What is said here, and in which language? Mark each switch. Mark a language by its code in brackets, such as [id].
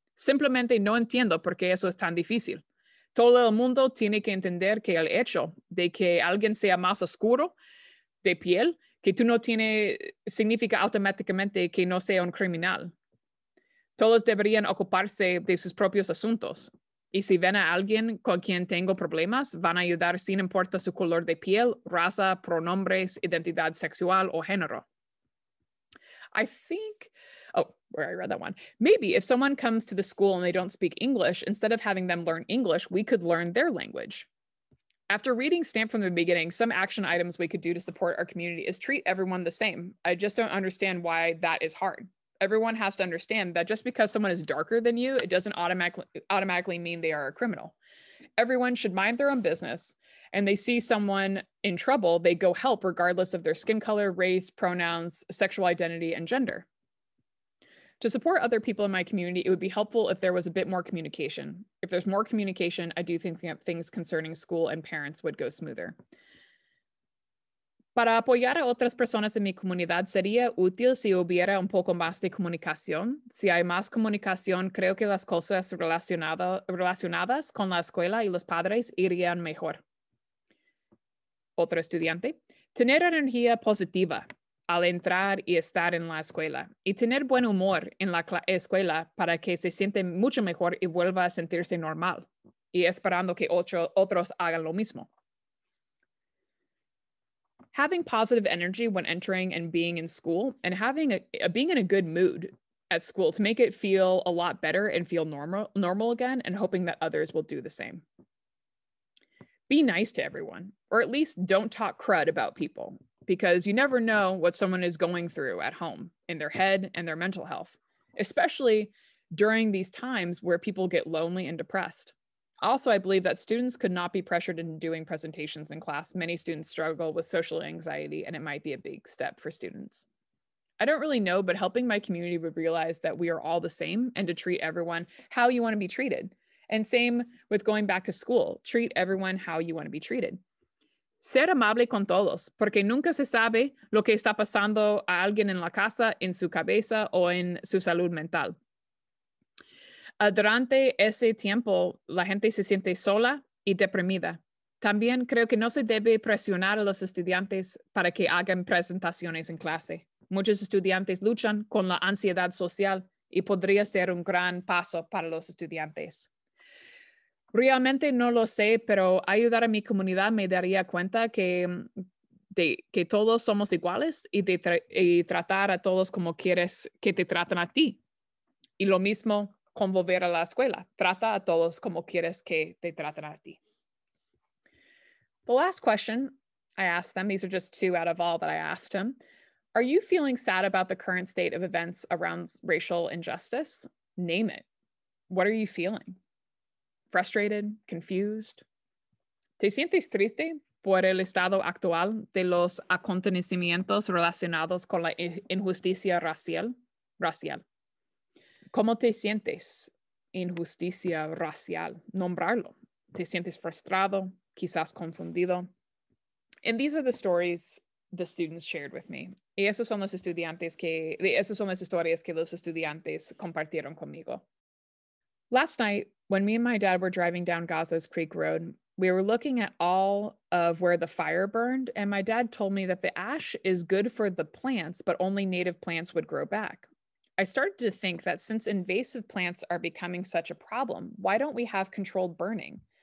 [es] Simplemente no entiendo por qué eso es tan difícil. Todo el mundo tiene que entender que el hecho de que alguien sea más oscuro de piel que tú no tiene significa automáticamente que no sea un criminal. Todos deberían ocuparse de sus propios asuntos. Y si ven a alguien con quien tengo problemas, van a ayudar sin importar su color de piel, raza, pronombres, identidad sexual o género. [en] I think, I read that one. Maybe if someone comes to the school and they don't speak English, instead of having them learn English, we could learn their language. After reading Stamp from the Beginning, some action items we could do to support our community is treat everyone the same. I just don't understand why that is hard. Everyone has to understand that just because someone is darker than you, it doesn't automatically mean they are a criminal. Everyone should mind their own business, and they see someone in trouble, they go help regardless of their skin color, race, pronouns, sexual identity, and gender. To support other people in my community, it would be helpful if there was a bit more communication. If there's more communication, I do think that things concerning school and parents would go smoother. [es] Para apoyar a otras personas en mi comunidad sería útil si hubiera un poco más de comunicación. Si hay más comunicación, creo que las cosas relacionadas con la escuela y los padres irían mejor. Otro estudiante. Tener energía positiva. al entrar y estar en la escuela y tener buen humor en la escuela para que se siente mucho mejor y vuelva a sentirse normal y esperando que otros hagan lo mismo. [en] Having positive energy when entering and being in school and having being in a good mood at school to make it feel a lot better and feel normal again and hoping that others will do the same. Be nice to everyone, or at least don't talk crud about people, because you never know what someone is going through at home in their head and their mental health, especially during these times where people get lonely and depressed. Also, I believe that students could not be pressured into doing presentations in class. Many students struggle with social anxiety, and it might be a big step for students. I don't really know, but helping my community would realize that we are all the same and to treat everyone how you want to be treated. And same with going back to school, treat everyone how you want to be treated. [es] Ser amable con todos, porque nunca se sabe lo que está pasando a alguien en la casa, en su cabeza o en su salud mental. Durante ese tiempo, la gente se siente sola y deprimida. También creo que no se debe presionar a los estudiantes para que hagan presentaciones en clase. Muchos estudiantes luchan con la ansiedad social y podría ser un gran paso para los estudiantes. Realmente no lo sé, pero ayudar a mi comunidad me daría cuenta que todos somos iguales y tratar a todos como quieres que te traten a ti. Y lo mismo con volver a la escuela. Trata a todos como quieres que te traten a ti. [en] The last question I asked them, these are just two out of all that I asked them. Are you feeling sad about the current state of events around racial injustice? Name it. What are you feeling? Frustrated, confused. [es] ¿Te sientes triste por el estado actual de los acontecimientos relacionados con la injusticia racial? ¿Cómo te sientes injusticia racial? Nombrarlo. ¿Te sientes frustrado, quizás confundido? [en] And these are the stories the students shared with me. [es] Y esos son los estudiantes que esas son las historias que los estudiantes compartieron conmigo. [en] Last night, when me and my dad were driving down Gaza's Creek Road, we were looking at all of where the fire burned, and my dad told me that the ash is good for the plants, but only native plants would grow back. I started to think that since invasive plants are becoming such a problem, why don't we have controlled burning?